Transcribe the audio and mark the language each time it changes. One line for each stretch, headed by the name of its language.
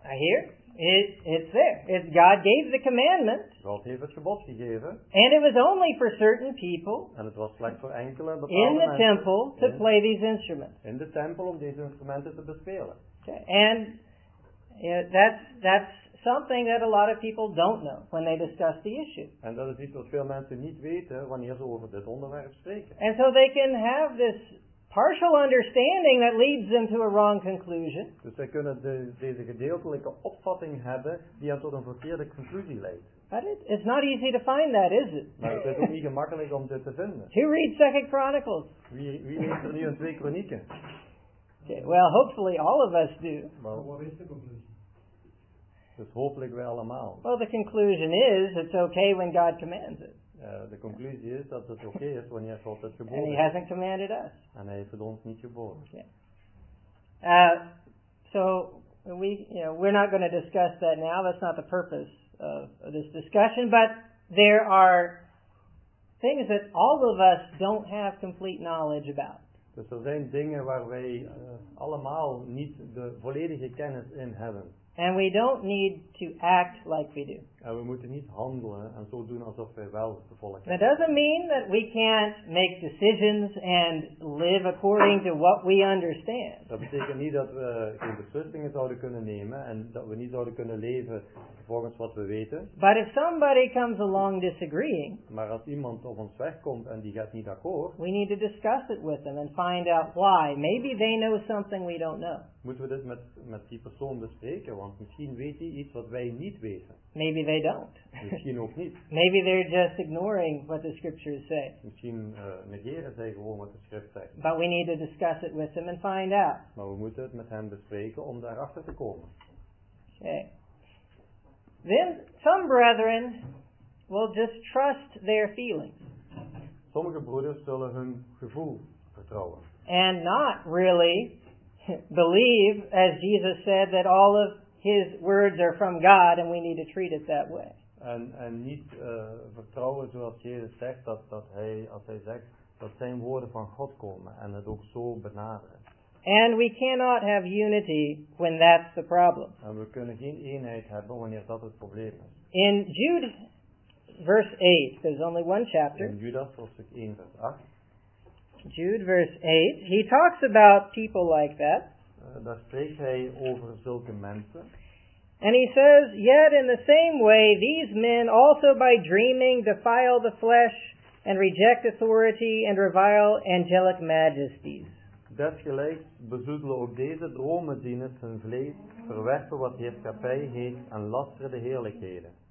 English: Yeah. So, I hear it's there. It's God gave the commandment.
Dutch: God heeft het gebod gegeven.
English: And it was only for certain people.
Dutch: En het was slechts voor enkele bepaalde
English: in the temple to play these instruments.
Dutch: In de tempel om deze instrumenten te bespelen.
English: Okay. And that's something that a lot of people don't know when they discuss the issue.
Dutch: En dat is iets wat veel mensen niet weten wanneer ze over dit onderwerp spreken.
English: And so they can have this partial understanding that leads them to a wrong conclusion.
Dutch: Dus zij kunnen deze gedeeltelijke opvatting hebben die hen tot een verkeerde conclusie leidt.
English: But it's not easy to find that, is it?
Dutch: Maar het is ook niet gemakkelijk om dit te vinden.
English: Who reads 2 Chronicles?
Dutch: Wie leest er nu in 2 Kronieken?
English: Okay, well, hopefully all of us do.
Dutch: Maar wat is de conclusie? Dus hopelijk wij allemaal.
English: Well, the conclusion is, it's okay when God commands it.
Dutch: De conclusie is dat het oké is wanneer God het geboden
English: heeft. And he hasn't commanded us.
Dutch: En hij heeft het ons niet geboden.
English: Yeah. So we, you know, we're not going to discuss that now. That's not the purpose of this discussion. But there are things that all of us don't have complete knowledge about.
Dutch: Dus er zijn dingen waar wij allemaal niet de volledige kennis in hebben.
English: And we don't need to act like we do.
Dutch: En we moeten niet handelen en zo doen alsof wij wel de volle kennis.
English: That doesn't mean that we can't make decisions and live according to what we understand.
Dutch: Dat betekent niet dat we geen beslissingen zouden kunnen nemen en dat we niet zouden kunnen leven volgens wat we weten.
English: But if somebody comes along disagreeing,
Dutch: maar als iemand op ons weg komt en die gaat niet akkoord,
English: we need to discuss it with them and find out why. Maybe they know something we don't know.
Dutch: Moeten we dit met die persoon bespreken? Want misschien weet hij iets wat wij niet weten.
English: Maybe they don't.
Dutch: Misschien ook niet.
English: Maybe they're just ignoring what the scriptures say.
Dutch: Misschien negeren zij gewoon wat de schrift zegt.
English: But we need to discuss it with them and find out.
Dutch: Maar we moeten het met hem bespreken om daarachter te komen.
English: Okay. Then some brethren will just trust their feelings.
Dutch: Sommige broeders zullen hun gevoel vertrouwen.
English: And not really believe, as Jesus said, that all of his words are from God and we need to treat it that way.
Dutch: En niet vertrouwen zoals Jezus zegt, dat hij, als hij zegt, dat zijn woorden van God komen en het ook zo benaderen.
English: And we cannot have unity when that's the problem.
Dutch: En we kunnen geen eenheid hebben wanneer dat het probleem is.
English: In Jude, verse 8, there's only one chapter.
Dutch: In Judas, hoofdstuk 1, vers 8.
English: Jude, verse 8, he talks about people like that.
Dutch: daar spreekt hij over zulke mensen.
English: And he says, yet in the same way, these men also by dreaming defile the flesh and reject authority and revile angelic majesties.
Dutch: Desgelijks bezoedelen ook deze dromendieners hun vlees, verwerpen wat heerschappij heet en lasteren de heerlijkheden.